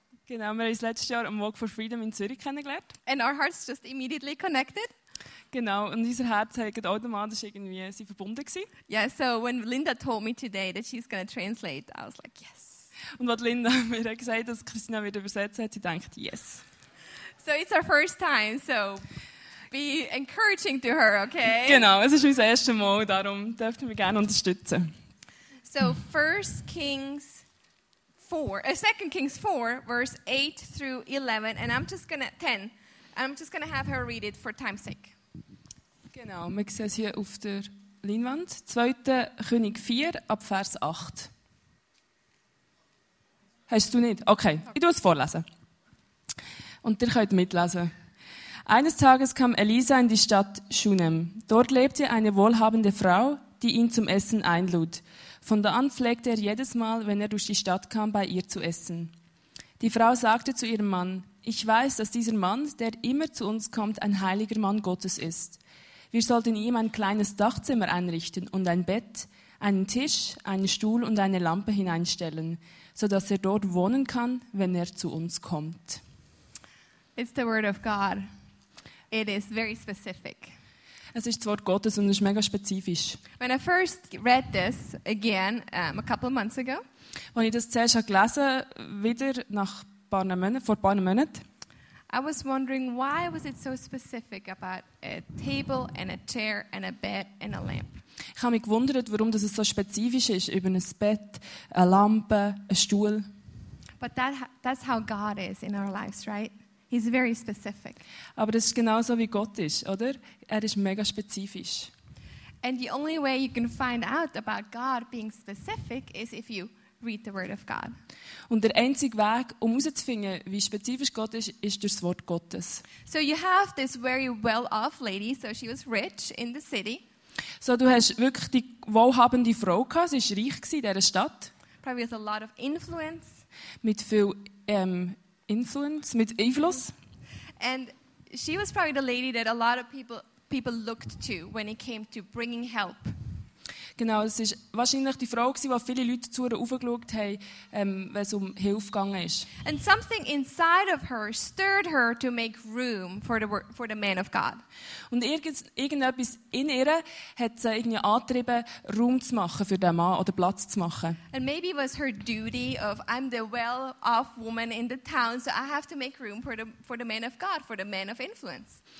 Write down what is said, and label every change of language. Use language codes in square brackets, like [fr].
[de] Genau, wir haben letztes Jahr am Walk for Freedom in Zürich kennengelernt. [en] And our hearts just immediately connected. [de] Genau, und unser Herz hat automatisch irgendwie sie verbunden gewesen. [en] Yeah, so when Linda told me today that she's going to translate, I was like, yes. [de] Und was Linda mir hat gesagt, dass Christina wieder übersetzt hat, sie denkt, yes. [en] So it's our first time, so be encouraging to her, okay? [de] Genau, es ist unser erstes Mal, darum dürfen wir gerne unterstützen. [en] So 1 Kings 4, 2 Kings 4, verse 8 through 11, and I'm just going to, 10, and I'm just going to have her read it for time's sake. [de] Genau, wir sehen es hier auf der Leinwand. 2. König 4, ab Vers 8. Hast du nicht? Okay, ich tue es vorlesen. Und ihr könnt mitlesen. Eines Tages kam Elisa in die Stadt Shunem. Dort lebte eine wohlhabende Frau, die ihn zum Essen einlud. Von da an pflegte er jedes Mal, wenn er durch die Stadt kam, bei ihr zu essen. Die Frau sagte zu ihrem Mann, ich weiß, dass dieser Mann, der immer zu uns kommt, ein heiliger Mann Gottes ist. Wir sollten ihm ein kleines Dachzimmer einrichten und ein Bett, einen Tisch, einen Stuhl und eine Lampe hineinstellen, sodass er dort wohnen kann, wenn er zu uns kommt. [en] It's the word of God. It is very specific. [de] Es ist das Wort Gottes und es ist mega spezifisch. [en] When I first read this again a couple of months ago, [de] als ich das zuerst gelesen habe, wieder vor ein paar Monaten, [en] I was wondering why was it so specific about a table and a chair and a bed and a lamp. [de] Ich habe mich gewundert, warum das so spezifisch ist über ein Bett, eine Lampe, einen Stuhl. [en] But that's how God is in our lives, right? He's very specific. [de] Aber das ist genauso wie Gott ist, oder? Er ist mega spezifisch. [en] And the only way you can find out about God being specific is if you read the word of God. [de] Und der einzige Weg, um herauszufinden, wie spezifisch Gott ist, ist durch das Wort Gottes. [en] So you have this very well-off lady, so she was rich in the city. [de] So du hast wirklich die wohlhabende Frau gehabt, sie war reich in dieser Stadt. [en] Probably with a lot of influence. [de] Mit viel Influence, mit Einfluss. [en] And she was probably the lady that a lot of people looked to when it came to bringing help. [de] Genau, es war wahrscheinlich die Frau, die viele Leute zu ihr aufgeschaut haben, wenn es um Hilfe gegangen ist. [en] And something inside of her stirred her to make room for the man of God. [de] Und irgendetwas in ihr hat sie irgendwie angetrieben, Raum zu machen für den Mann oder Platz zu machen. [en] And maybe it was her duty of I'm the well-off woman in the town, so I have to make room for the man of God, for the man of influence.